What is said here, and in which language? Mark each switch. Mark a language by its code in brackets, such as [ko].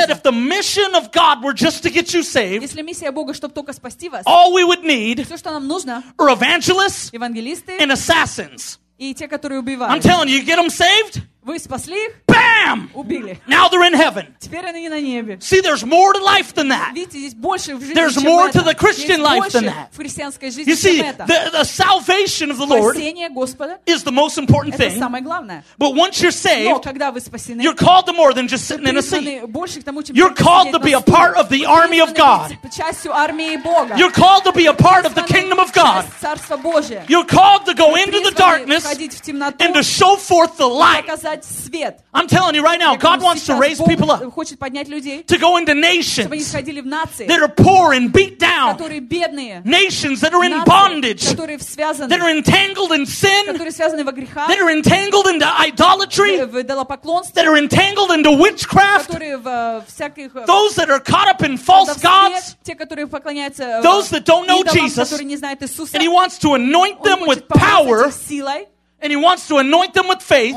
[en] He said, if the mission of God were just to get you saved, [ru] если миссия Бога, чтобы только спасти вас, [en] all we would need, [ru] все, что нам нужно, [en] are evangelists, [ru] евангелисты, [en] and assassins. [ru] И те, которые убивают. [en] I'm telling you, you get them saved, [ru] вы спасли их. [en] Bam! [ru] Убили. [en] Now they're in heaven. [ru] Теперь они на небе. [en] See, there's more to life than that. [ru] Видите, здесь больше в жизни, [en] there's [ru] чем [en] more [ru] это. [en] To the Christian life than that. [ru] В христианской жизни, [en] you see, [ru] чем это. [en] The salvation of the Lord [ru] Господа [en] is the most important [ru] это [en] thing. [ru] Самое главное. [en] But once you're saved, [ru] но когда вы спасены, [en] you're called to more than just sitting in a seat. [ru] Больше к тому, чем [en] you're called to be a part of the army of God. [ru] Частью армии Бога. [en] You're called to be a part of the kingdom of God. [ru] Царство Божие. [en] You're called to go into the darkness [ru] в темноту, [en] and to show forth the light. [ru] Свет. [en] I'm telling you right now, God wants to raise people up, [ru] хочет поднять людей, [en] to go into nations, [ru] чтобы они сходили в нации, [en] that are poor and beat down, [ru] которые бедные, [en] nations that are in bondage, [ru] которые связаны, [en] that are entangled in sin, [ru] которые связаны во грехах, [en] that are entangled into idolatry, [ru] в идолопоклонстве, [en] that are entangled into witchcraft, [ru] которые в всяких, [en] those that are caught up in false gods, [ru] те, которые поклоняются, [en] those that don't know Jesus, [ru] которые не знают Иисуса, [en] and he wants to anoint them with power, [ru] силой. [en] And he wants to anoint them with faith